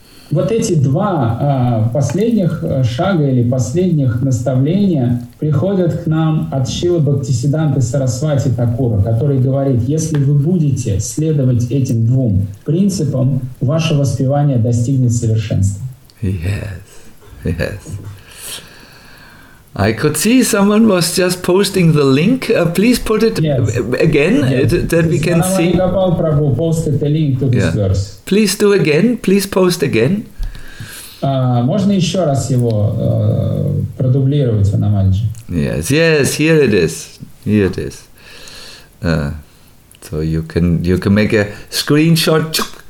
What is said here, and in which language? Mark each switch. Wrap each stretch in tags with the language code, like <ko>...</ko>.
<ru>Вот эти два последних шага или последних наставления приходят к нам от Шрилы Бхактисиддханты Сарасвати Такура, который говорит, если вы будете следовать этим двум принципам, ваше воспевание достигнет совершенства.</ru> <en>Yes, yes. I could see someone was just posting the link. Please put it again, that we can see. Prabhu posted the link to this verse. Please do again. Please post again.</en> <ru>Можно еще раз его продублировать, Анамальджи.</ru> <en>Yes, yes. Here it is. Here it is. So you can make a screenshot.</en>